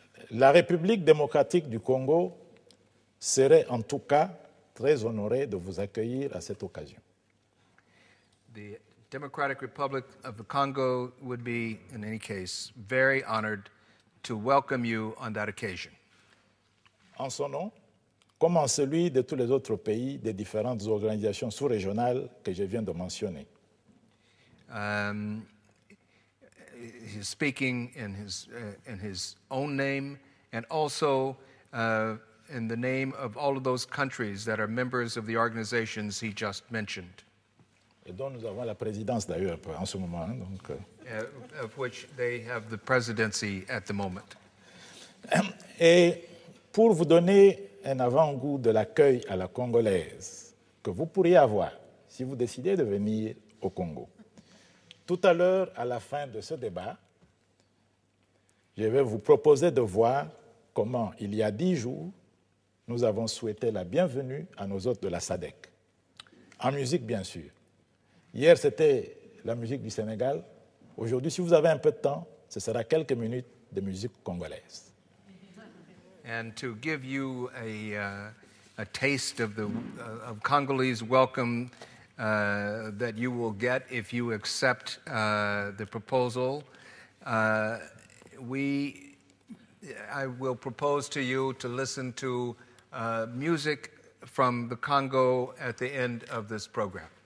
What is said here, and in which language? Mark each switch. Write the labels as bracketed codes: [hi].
[fr] La République démocratique du Congo serait en tout cas très honorée de vous accueillir à cette occasion. [en] The Democratic Republic of the Congo would be, in any case, very honored to welcome you on that occasion. [fr] En son nom, comme en celui de tous les autres pays des différentes organisations sous-régionales que je viens de mentionner. [en] He's speaking in his own name and also in the name of all of those countries that are members of the organizations he just mentioned. [fr] Et dont nous avons la présidence d'ailleurs en ce moment. Donc, [en] of which they have the presidency at the moment. [fr] Et pour vous donner un avant-goût de l'accueil à la congolaise que vous pourriez avoir si vous décidez de venir au Congo, tout à l'heure, à la fin de ce débat, je vais vous proposer de voir comment, il y a 10 jours, nous avons souhaité la bienvenue à nos hôtes de la SADC. En musique, bien sûr. Hier, c'était la musique du Sénégal. Aujourd'hui, si vous avez un peu de temps, ce sera quelques minutes de musique congolaise. [en] And to give you a taste of the Congolese welcome that you will get if you accept the proposal, I will propose to you to listen to music from the Congo at the end of this program.